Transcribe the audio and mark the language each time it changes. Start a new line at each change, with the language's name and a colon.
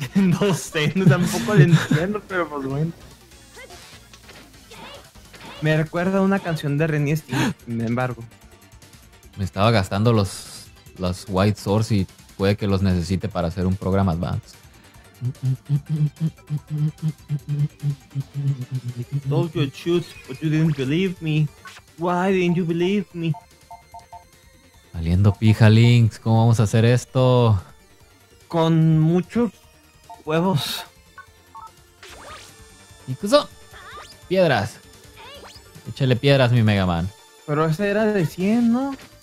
Spanish: No sé, tampoco le entiendo, pero pues bueno. Me recuerda a una canción de Renny Stimpy, sin embargo. Me estaba gastando los White Swords y puede que los necesite para hacer un programa Advance.
English: I told you to choose, but you didn't believe me. Why didn't you believe me?
Spanish: Valiendo pija, Links, ¿cómo vamos a hacer esto? Con muchos huevos. Incluso piedras. Échale piedras, mi Mega Man. Pero ese era de 100, ¿no?